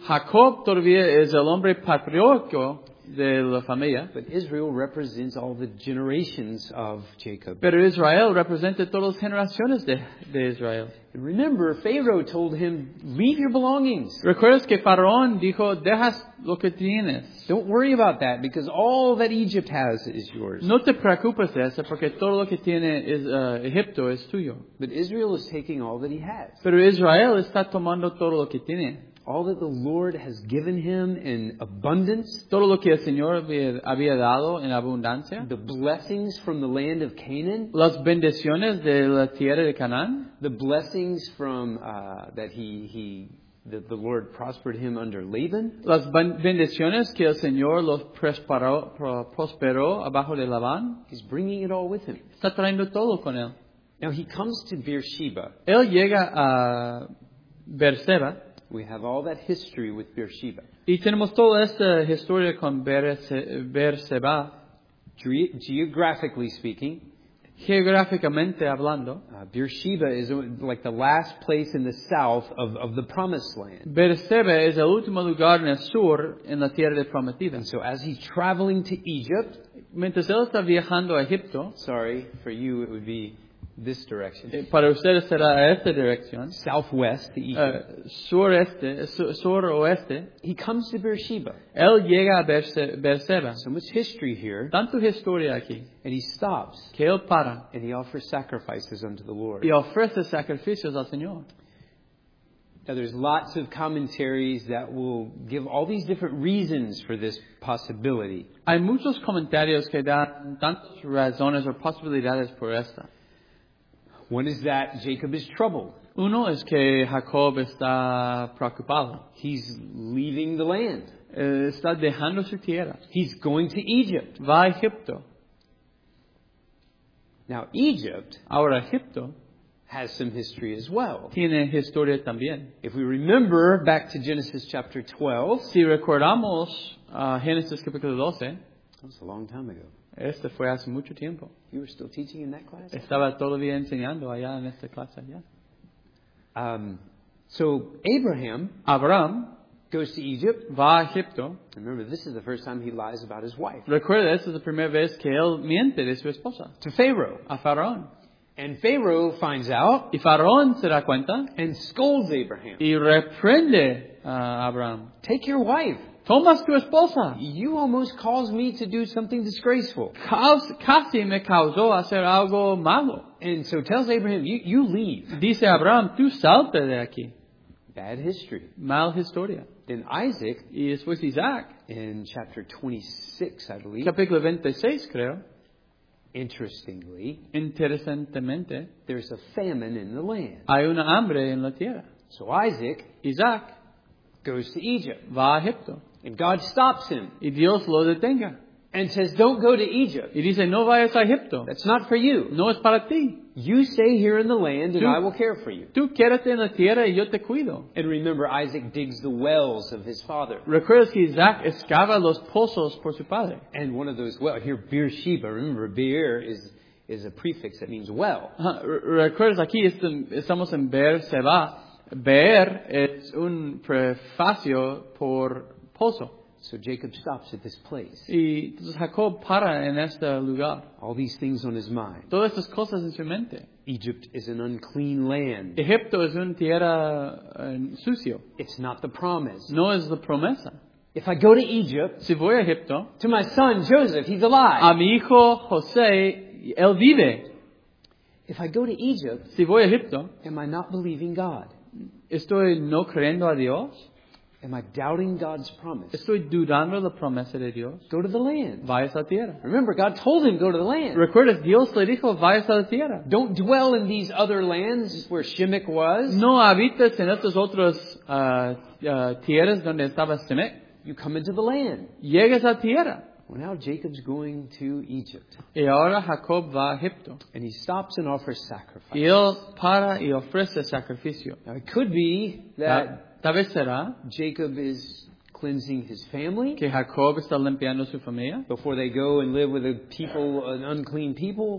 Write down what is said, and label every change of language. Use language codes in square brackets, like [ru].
[es] Jacob todavía es el hombre patriarcal. De la familia. [en] But Israel represents all the generations of Jacob. [es] Pero Israel representa todas las generaciones de Israel. [en] And remember, Pharaoh told him, leave your belongings. [es] ¿Recuerdas que Faraón dijo, dejas lo que tienes? [en] Don't worry about that, because all that Egypt has is yours. [es] No te preocupes de eso, porque todo lo que tiene es, Egipto es tuyo. [en] But Israel is taking all that he has. [es] Pero Israel está tomando todo lo que tiene. [en] All that the Lord has given him in abundance. [es] Todo lo que el Señor había dado en abundancia. [en] The blessings from the land of Canaan. [es] Las bendiciones de la tierra de Canaán. [en] The blessings from that he that the Lord prospered him under Laban. [es] Las bendiciones que el Señor los prosperó abajo de Labán. [en] He's bringing it all with him. [es] Está trayendo todo con él. [en] Now he comes to Beersheba. [es] Él llega a Beersheba. [en] We have all that history with Beersheba. [es] Y tenemos toda esta historia con Beersheba. [en] Geographically speaking. [es] Geográficamente hablando. [en] Beersheba is like the last place in the south of the promised land. [es] Beersheba es el último lugar en el sur en la tierra de prometida. [en] And so as he's traveling to Egypt. [es] Mientras él está viajando a Egipto. [en] Sorry, for you it would be this direction. [es] Para ustedes será a esta dirección. [en] Southwest, the [es] sureste, suroeste. [en] He comes to Beersheba. [es] Él llega a Beersheba. [en] So much history here. [es] Tanto historia aquí. [en] And he stops. [es] Que él para. [en] And he offers sacrifices unto the Lord. [es] Y ofrece sacrificios al Señor. [en] Now there's lots of commentaries that will give all these different reasons for this possibility. [es] Hay muchos comentarios que dan tantas razones o posibilidades por esta. [en] One is that Jacob is troubled. [es] Uno es que Jacob está preocupado. [en] He's leaving the land. [es] Está dejando su tierra. [en] He's going to Egypt. [es] Va a Egipto. [en] Now Egypt. [es] Ahora Egipto. [en] Has some history as well. [es] Tiene historia también. [en] If we remember back to Genesis chapter 12. [es] Si recordamos Genesis capítulo 12. [en] That was a long time ago. [es] Este fue hace mucho tiempo. [en] You were still teaching in that class? [es] Estaba todavía enseñando allá en esta clase allá. [en] So Abraham. [es] Abraham. [en] Goes to Egypt. [es] Va a Egipto. [en] Remember, this is the first time he lies about his wife. [es] Recuerda, esta es la primera vez que él miente de su esposa. [en] To Pharaoh. [es] A Faraón. [en] And Pharaoh finds out. [es] Y Faraón se da cuenta. [en] And scolds Abraham. [es] Y reprende a Abraham. [en] Take your wife. [es] Toma tu esposa. [en] You almost caused me to do something disgraceful. [es] Casi me causó hacer algo malo. [en] And so tells Abraham, you leave. [es] Dice Abraham, tú salte de aquí. [en] Bad history. [es] Mal historia. [en] Then Isaac. [es] Y después Isaac. [en] In chapter 26, I believe. [es] Capítulo 26, creo. [en] Interestingly, [es] interesantemente, [en] there's a famine in the land. [es] Hay una hambre en la tierra. [en] So Isaac goes to Egypt. [es] Va a Egipto. [en] And God stops him. [es] Y Dios lo detenga. [en] And says, don't go to Egypt. [es] Y dice, no vayas a Egipto. [en] That's not for you. [es] No es para ti. [en] You stay here in the land and I will care for you. [es] Tú quédate en la tierra y yo te cuido. [en] And remember, Isaac digs the wells of his father. [es] Recuerdas que Isaac excava los pozos por su padre. [en] And one of those wells, here Beersheba, remember Beer is a prefix that means well. [es] Recuerdas aquí, estamos en Beersheba. Beer es un prefacio por pozo. [en] So Jacob stops at this place. [es] Y Jacob para en este lugar. [en] All these things on his mind. [es] Todas estas cosas en su mente. [en] Egypt is an unclean land. [es] Egipto es una tierra sucio. [en] It's not the promise. [es] No es la promesa. [en] If I go to Egypt, [es] si voy a Egipto, [en] to my son Joseph, he's alive. [es] A mi hijo José, él vive. [en] If I go to Egypt, [es] si voy a Egipto, [en] am I not believing God? [es] Estoy no creyendo a Dios. [en] Am I doubting God's promise? [es] Estoy dudando la promesa de Dios. [en] Go to the land. [es] Vayas a la tierra. [en] Remember, God told him, go to the land. [es] Recuerda, Dios le dijo, vayas a la tierra. [en] Don't dwell in these other lands where Shemek was. [es] No habitas en estas otras tierras donde estaba Shemek. [en] You come into the land. [es] Llegas a tierra. [en] Well, now Jacob's going to Egypt. [es] Y ahora Jacob va a Egipto. [en] And he stops and offers sacrifice. [es] Y él para y ofrece sacrificio. [en] Now, it could be that... [es] Tal vez será [en] Jacob is cleansing his family. [es] Que Jacob está limpiando su familia. [en] Before they go and live with a people, an unclean people.